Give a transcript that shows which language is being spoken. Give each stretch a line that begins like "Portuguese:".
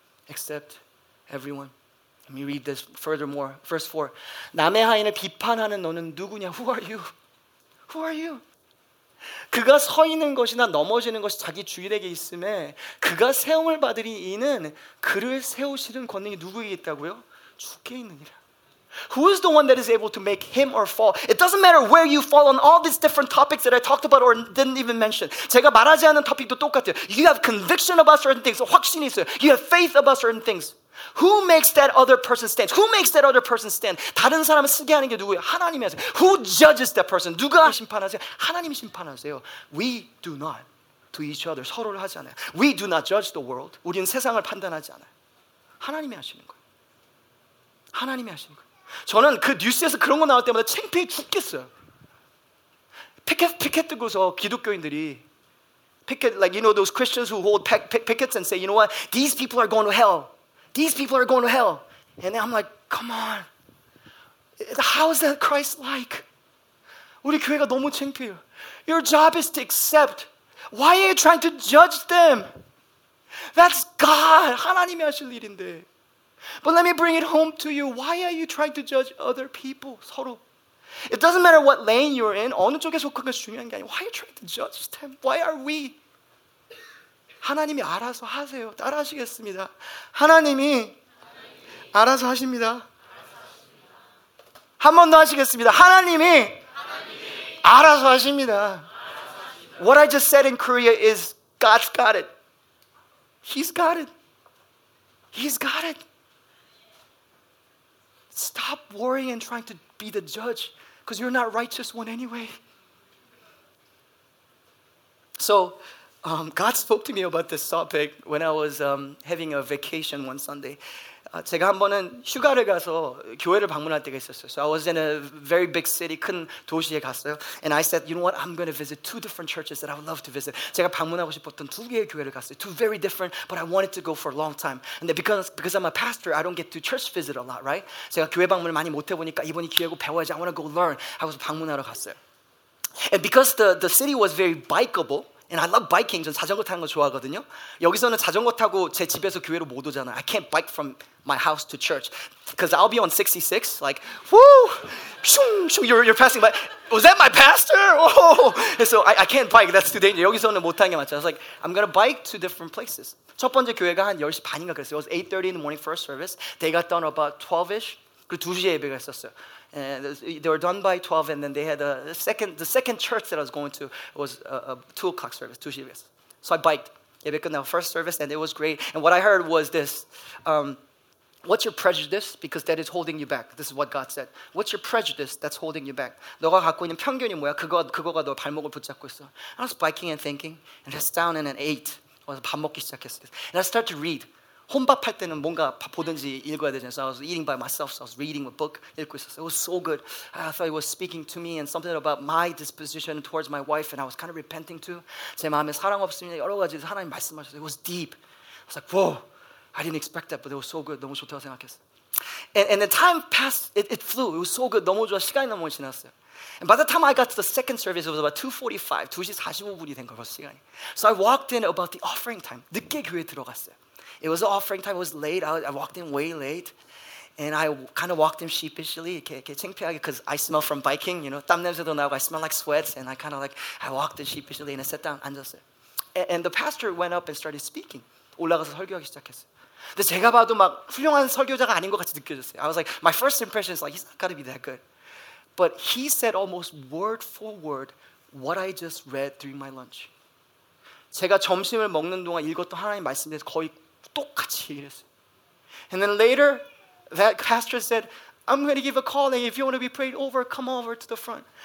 English: Accept everyone. Let me read this furthermore. Verse 4.
Korean: 남의 하인을 비판하는 너는 누구냐?
English: Who are you? Who are you?
Korean: 그가 서 있는 것이나 넘어지는 것이 자기 주인에게 있음에 그가 세움을 받으리 이는 그를 세우시는 권능이 누구에게 있다고요? 주께 있느니라.
English: Who is the one that is able to make him or fall? It doesn't matter where you fall on all these different topics that I talked about or didn't even mention.
Korean: 제가 말하지 않은 topic도 똑같아요.
English: You have conviction about certain things.
Korean: 확신이 있어요.
English: You have faith about certain things. Who makes that other person stand? Who makes that other person stand?
Korean: 다른 사람을 쓰게 하는 게 누구예요? 하나님이 하세요.
English: Who judges that person?
Korean: 누가 심판하세요? 하나님이 심판하세요.
English: We do not to each other.
Korean: 서로를 하지 않아요.
English: We do not judge the world.
Korean: 우리는 세상을 판단하지 않아요. 하나님이 하시는 거예요. 하나님이 하시는 거예요. 저는 그 뉴스에서 그런 거 나올 때마다 창피해 죽겠어요. 피켓 뜨고서 기독교인들이 피켓,
English: like you know those Christians who hold pickets and say, you know what? These people are going to hell. These people are going to hell. And I'm like, come on. How is that Christ-like?
Korean: 우리 교회가 너무 창피해요.
English: Your job is to accept. Why are you trying to judge them? That's God.
Korean: 하나님이 하실 일인데.
English: But let me bring it home to you. Why are you trying to judge other people?
Korean: 서로.
English: It doesn't matter what lane you're in.
Korean: 어느 쪽에 속한 게 중요한 게 아니에요.
English: Why are you trying to judge them? Why are we?
Korean: 하나님이 알아서 하세요. 따라 하시겠습니다. 하나님이 알아서 하십니다. 한 번 더 하시겠습니다. 하나님이 알아서 하십니다.
English: What I just said in Korea is God's got it. He's got it. He's got it. Stop worrying and trying to be the judge because you're not righteous one anyway. So God spoke to me about this topic when I was having a vacation one Sunday.
Korean: 제가 한 번은 휴가를 가서 교회를 방문할 때가 있었어요.
English: So I was in a very big city,
Korean: 큰 도시에 갔어요.
English: And I said, you know what? I'm going to visit two different churches that I would love to visit.
Korean: 제가 방문하고 싶었던 두 개의 교회를 갔어요.
English: Two very different, but I wanted to go for a long time. And because I'm a pastor, I don't get to church visit a lot, right?
Korean: 제가 교회 방문을 많이 못 해보니까 이번이 기회고 배워야지.
English: I want to go learn. I was
Korean: 방문하러 갔어요.
English: And because the city was very bikeable, and I love biking.
Korean: 전 자전거 타는 거 좋아하거든요. 여기서는 자전거 타고 제 집에서 교회로 못 오잖아요.
English: I can't bike from my house to church because I'll be on 66. Like, woo, shoom, shoom, you're passing by. Was that my pastor? Oh, so I can't bike. That's too dangerous.
Korean: 여기서는 못 타는 게 맞죠.
English: I was like, I'm going to bike to different places.
Korean: 첫 번째 교회가 한 10시 반인가 그랬어요.
English: It was 8:30 in the morning first service. They got done about 12-ish.
Korean: 그리고 2시에 예배가 있었어요.
English: And they were done by 12, and then they had the second church that I was going to was a 2 o'clock service, 2 service. So I biked. Yeah, because now first service, and it was great. And what I heard was this, what's your prejudice? Because that is holding you back. This is what God said. What's your prejudice that's holding you back?
Korean: 너가 갖고 있는 편견이 뭐야? 그거가 너 발목을 붙잡고 있어.
English: And I was biking and thinking, and I sat down and ate.
Korean: 와서 밥 먹기 시작했어.
English: And I started to read.
Korean: 혼밥할 때는 뭔가 보든지 읽어야 되잖아요.
English: So I was eating by myself, so I was reading a book,
Korean: 읽고 있었어요.
English: It was so good. I thought it was speaking to me and something about my disposition towards my wife, and I was kind of repenting too.
Korean: 제 마음에 사랑 없으면 여러 가지 하나님 말씀하셨어요.
English: It was deep. I was like, whoa, I didn't expect that, but it was so good.
Korean: 너무 좋다고 생각했어요.
English: And the time passed, it flew. It was so good.
Korean: 너무 좋아. 시간이 너무 지났어요.
English: And by the time I got to the second service, it was about 2:45,
Korean: 2시 45분이 된 거예요, 시간이.
English: So I walked in about the offering time.
Korean: 늦게 교회 들어갔어요.
English: It was offering time. It was late. I walked in way late. And I kind of walked in sheepishly, because I smell from biking, you know.
Korean: 땀 냄새도 나고,
English: I smell like sweats. And I walked in sheepishly, and I sat down,
Korean: 앉았어요.
English: And the pastor went up and started speaking.
Korean: 올라가서 설교하기 시작했어요. 근데 제가 봐도 막 훌륭한 설교자가 아닌 것 같이 느껴졌어요.
English: I was like, my first impression is like, he's not got to be that good. But he said almost word for word what I just read during my lunch.
Korean: 제가 점심을 먹는 동안 읽었던 하나님 말씀에 대해서 거의 똑같이 얘기했어요.
English: And then later, that pastor said, I'm going to give a call, and if you want to be prayed over, come over to the front.